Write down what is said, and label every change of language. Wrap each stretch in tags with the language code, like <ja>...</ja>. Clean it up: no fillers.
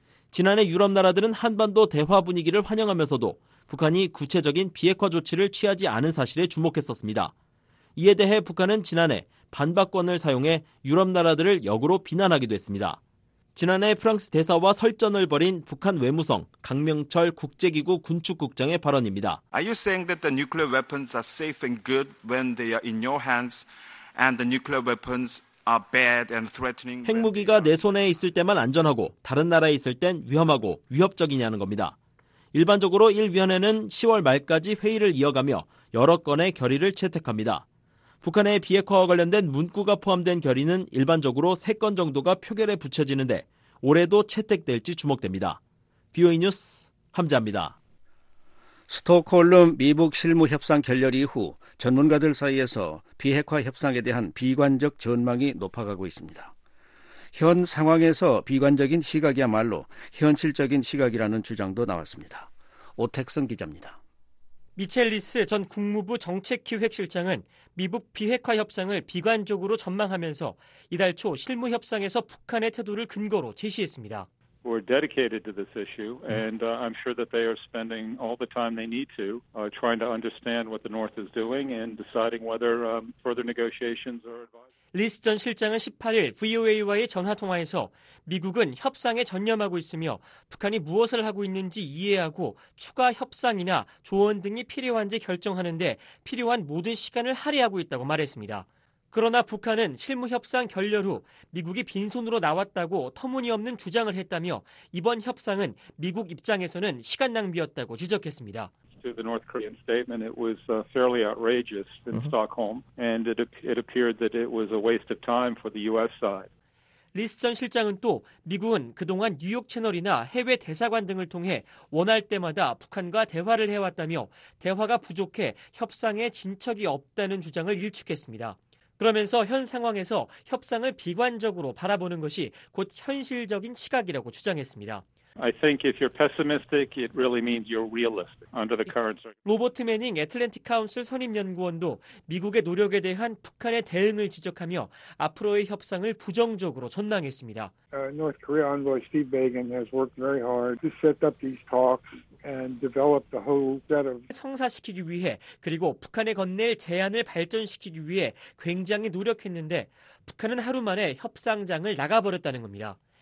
<ko>지난해 유럽 나라들은 한반도 대화 분위기를 환영하면서도 북한이 구체적인 비핵화 조치를 취하지 않은 사실에 주목했었습니다. 이에 대해 북한은 지난해 반박권을 사용해 유럽 나라들을 역으로 비난하기도 했습니다. 지난해 프랑스 대사와 설전을 벌인 북한 외무성 강명철 국제기구 군축국장의 발언입니다.</ko> <en>Are you saying that the nuclear weapons are safe and good when they are in your hands and the nuclear weapons are bad and threatening?</en> <ko>핵무기가 내 손에 있을 때만 안전하고 다른 나라에 있을 땐 위험하고 위협적이냐는 겁니다. 일반적으로 1위원회는 10월 말까지 회의를 이어가며 여러 건의 결의를 채택합니다. 북한의 비핵화와 관련된 문구가 포함된 결의는 일반적으로 3건 정도가 표결에 붙여지는데 올해도 채택될지 주목됩니다. BOE 뉴스 함재합니다. 스톡홀름 미북 실무협상 결렬 이후 전문가들 사이에서 비핵화 협상에 대한 비관적 전망이 높아가고 있습니다. 현 상황에서 비관적인 시각이야말로 현실적인 시각이라는 주장도 나왔습니다. 오택성 기자입니다. 미첼리스 전 국무부 정책기획실장은 미북 비핵화 협상을 비관적으로 전망하면서 이달 초 실무협상에서 북한의 태도를 근거로 제시했습니다.</ko> <en>We're dedicated to this issue, and I'm sure that they are spending all the time they need to trying to understand what the North is doing and deciding whether further negotiations are advisable.</en> <ko>리스 전 실장은 18일 VOA와의 전화통화에서 미국은 협상에 전념하고 있으며 북한이 무엇을 하고 있는지 이해하고 추가 협상이나 조언 등이 필요한지 결정하는데 필요한 모든 시간을 할애하고 있다고 말했습니다. 그러나 북한은 실무협상 결렬 후 미국이 빈손으로 나왔다고 터무니없는 주장을 했다며 이번 협상은 미국 입장에서는 시간 낭비였다고 지적했습니다.</ko> <en>To the North Korean statement, it was fairly outrageous in Stockholm, and it appeared that it was a waste of time for the U.S. side.</en> <ko>리스 전 실장은 또 미국은 그동안 뉴욕 채널이나 해외 대사관 등을 통해 원할 때마다 북한과 대화를 해왔다며 대화가 부족해 협상에 진척이 없다는 주장을 일축했습니다. 그러면서 현 상황에서 협상을 비관적으로 바라보는 것이 곧 현실적인 시각이라고 주장했습니다.</ko> <en>I think if you're pessimistic, it really means you're realistic under the current circumstances.</en> <ko>로버트 매닝 애틀랜틱 카운슬 선임 연구원도 미국의 노력에 대한 북한의 대응을 지적하며 앞으로의 협상을 부정적으로 전망했습니다.</ko> <en>North Korea envoy Steve Bagan has worked very hard to set up these talks. And develop the whole set of</en> <ko>성사시키기 위해 그리고 북한에 건넬 제안을 발전시키기 위해 굉장히 노력했는데 북한은 하루 만에 협상장을 나가버렸다는 겁니다.</ko>